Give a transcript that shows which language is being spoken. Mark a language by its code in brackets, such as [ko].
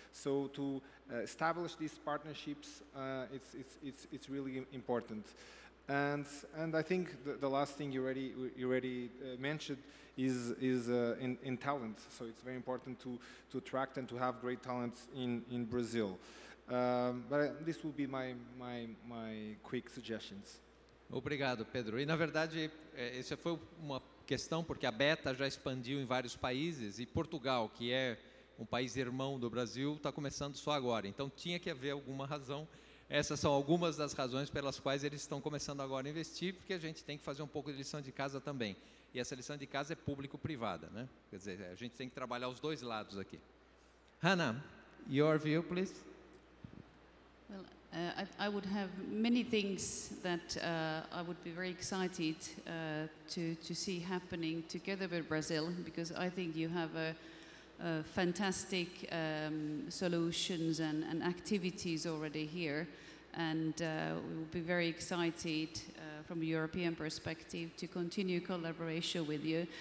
[en] So to establish these partnerships, it's really important. And I think the last thing you already mentioned is in talent. So it's very important to attract and to have great talents in Brazil. But this will be my quick suggestions. [pt] Obrigado, Pedro. E na verdade, essa foi uma questão porque a Beta já expandiu em vários países e Portugal, que é um país irmão do Brasil, está começando só agora. Então tinha que haver alguma razão. Essas são algumas das razões pelas quais eles estão começando agora a investir, porque a gente tem que fazer um pouco de lição de casa também. E essa lição de casa é público-privada, né? Quer dizer, a gente tem que trabalhar os dois lados aqui. [en] Hanna, your view, please. Well, I would have many things that I would be very excited to see happening together with Brazil, because I think you have fantastic solutions and activities already here, and we will be very excited from a European perspective to continue collaboration with you.